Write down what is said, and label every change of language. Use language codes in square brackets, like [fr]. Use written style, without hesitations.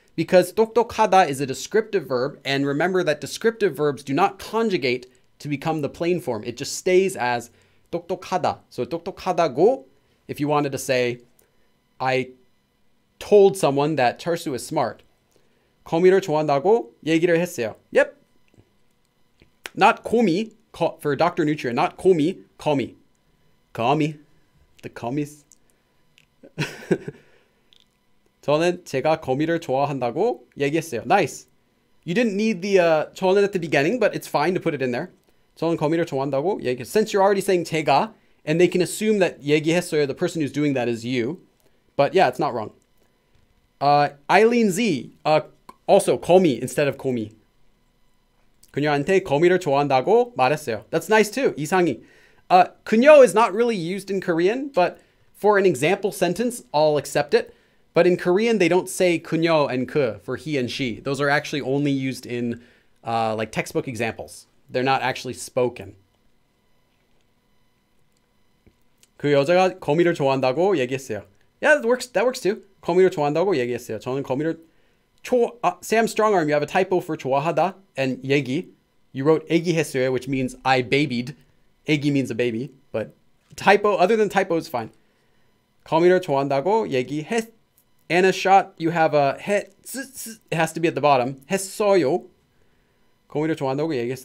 [en] Because 똑똑하다 is a descriptive verb, and remember that descriptive verbs do not conjugate to become the plain form. It just stays as 똑똑하다. So 똑똑하다고, if you wanted to say, I told someone that 철수 is smart. [ko] 거미를 좋아한다고 얘기를 했어요. [en] Yep. Not 거미, for Dr. Nutria, not 거미, 거미. 거미, the 거미s. [ko] 저는 제가 거미를 좋아한다고 얘기했어요. [en] Nice. You didn't need the 저는 at the beginning, but it's fine to put it in there. [ko] 저는 거미를 좋아한다고 얘기했어요. [en] Since you're already saying 제가, and they can assume that 얘기했어요, the person who's doing that is you. But yeah, it's not wrong. Eileen Z, also 거미 instead of 거미. [ko] 그녀한테 거미를 좋아한다고 말했어요. [en] That's nice too, 이상이. 그녀 is not really used in Korean, but for an example sentence, I'll accept it. But in Korean, they don't say 그녀 and 그 for he and she. Those are actually only used in like textbook examples. They're not actually spoken. [ko] 그 여자가 거미를 좋아한다고 얘기했어요. [en] Yeah, that works too. [ko] 거미를 좋아한다고 얘기했어요. 저는 거미를 [en] Sam Strongarm, you have a typo for 좋아하다 and 얘기. You wrote 얘기했어요, which means I babied. 얘기 means a baby, but typo, other than typo, is fine. [ko] 거미를 좋아한다고 얘기했... [en] And a shot, you have a... It has to be at the bottom. 했어요. [ko] 거미를 좋아한다고 얘기했어.